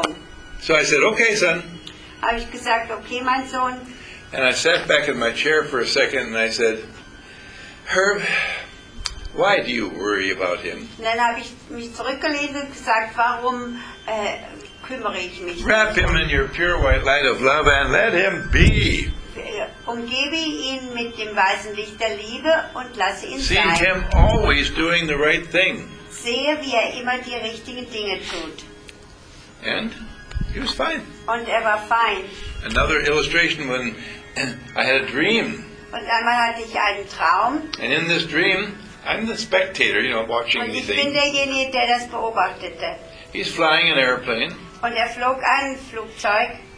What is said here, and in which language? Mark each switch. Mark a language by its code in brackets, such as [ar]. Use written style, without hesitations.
[de] Und ist wieder zurückgeflogen. [en] So I said, okay, son. [de] Habe ich gesagt, okay, mein Sohn. [en] And I sat back in my chair for a second and I said, Herb, why do you worry about him? [de] Dann habe ich mich zurückgelehnt und gesagt, warum kümmere ich mich? [en] Wrap him in your pure white light of love and let him be. [de] Umgebe ihn mit dem weißen Licht der Liebe und lasse ihn sein. [en] See him always doing the right thing. [de] Sehe, wie er immer die richtigen Dinge tut. [en] And he was fine. [de] Und er war fein. [en] Another illustration when I had a dream. [de] Und einmal hatte ich einen Traum. [en] And in this dream, I'm the spectator, you know, watching these things. [de] Und ich bin derjenige, der das beobachtete. [en] He's flying an airplane. [de] Und er flog ein Flugzeug.